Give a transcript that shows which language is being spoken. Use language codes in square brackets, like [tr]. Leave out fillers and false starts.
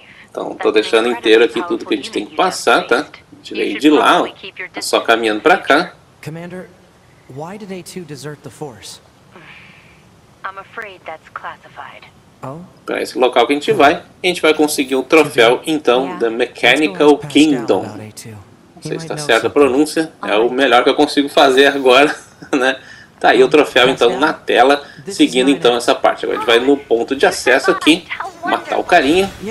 [pt] Então, estou deixando inteiro aqui tudo que a gente tem que passar, tá? Tirei de lá, ó, só caminhando para cá. [en] Why did A2 desert the Force? I'm afraid that's classified. [pt] Para esse local que a gente vai conseguir um troféu, então, The Mechanical Kingdom. Não sei se está certa a pronúncia, é o melhor que eu consigo fazer agora, né? Tá aí o troféu, então, na tela, seguindo, então, essa parte. Agora a gente vai no ponto de acesso aqui, matar o carinha.